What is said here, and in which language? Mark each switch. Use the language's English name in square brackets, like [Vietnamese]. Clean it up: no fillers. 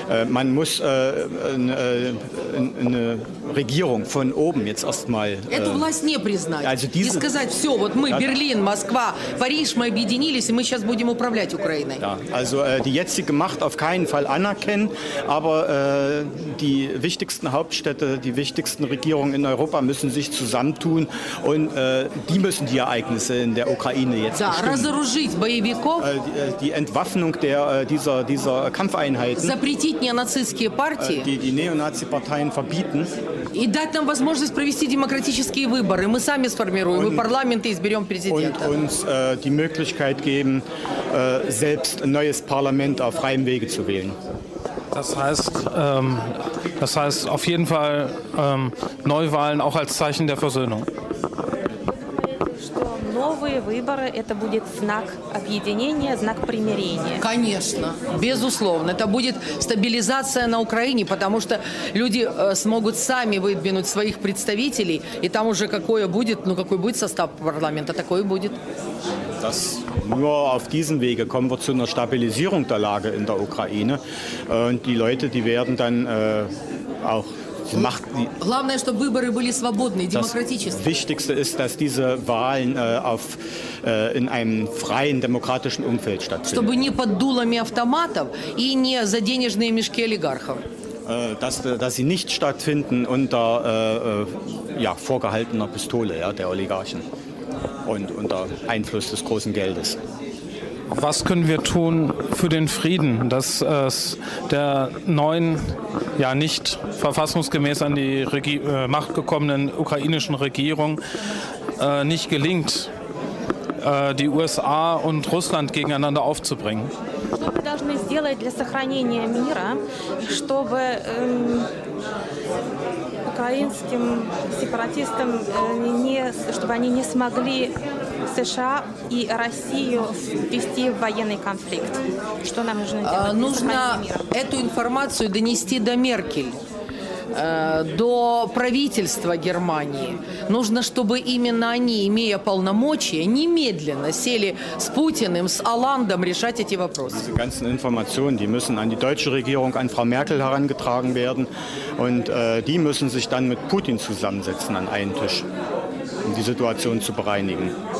[German] Man muss eine Regierung von oben jetzt erstmal. [Russian] Эту власть не признать. [German] Also diese, [Russian] и сказать, все, вот мы, Берлин, Москва, Париж, мы объединились, и мы сейчас будем управлять Украиной. [German] Да, also die jetzige Macht auf keinen Fall anerkennen, aber die wichtigsten Hauptstädte, die wichtigsten Regierungen in Europa müssen sich zusammentun und die müssen die Ereignisse in der Ukraine jetzt bestimmen. [Russian] Да, разоружить боевиков. [German] Die Entwaffnung dieser Kampfeinheiten. [Russian] Запретить неонацистские партии. [German] Die Neonazi-Parteien verbieten. [Russian] И дать нам возможность провести демократические выборы. Мы сами сформируем, мы парламент и изберем президента. [German] Und uns die Möglichkeit geben, selbst ein neues Parlament auf freiem Wege zu wählen. Das heißt auf jeden Fall Neuwahlen auch als Zeichen der Versöhnung. [Russian] Что новые выборы это будет знак объединения, знак примирения? Конечно, безусловно. Это будет стабилизация на Украине, потому что люди смогут сами выдвинуть своих представителей, и там уже какое будет, ну какой будет состав парламента, такой и будет. [German] Das nur auf diesem Wege kommen wir zu einer Stabilisierung der Lage in der Ukraine. Und die Leute, die werden dann auch die Macht. [Russian] Главное, чтобы выборы были свободные, демократические. [German] Das Wichtigste ist, dass diese Wahlen in einem freien, demokratischen Umfeld stattfinden. [Russian] Чтобы не под дулами автоматов и не за денежные мешки олигархов. [German] Dass sie nicht stattfinden unter vorgehaltener Pistole der Oligarchen. Und unter Einfluss des großen Geldes. Was können wir tun für den Frieden, dass es der neuen, ja nicht verfassungsgemäß an die Macht gekommenen ukrainischen Regierung nicht gelingt, die USA und Russland gegeneinander aufzubringen? [Russian] Что мы должны сделать для сохранения мира, чтобы украинским сепаратистам чтобы они не смогли США и Россию ввести в военный конфликт? Что нам нужно делать? Нужно эту информацию донести до Меркель, до правительства Германии. Нужно, чтобы именно они, имея полномочия, немедленно сели с Путиным, с Оландом решать эти вопросы. [German] Diese ganzen Informationen, die müssen an die deutsche Regierung, an Frau Merkel herangetragen werden, und die müssen sich dann mit Putin zusammensetzen an einen Tisch, um die Situation zu bereinigen.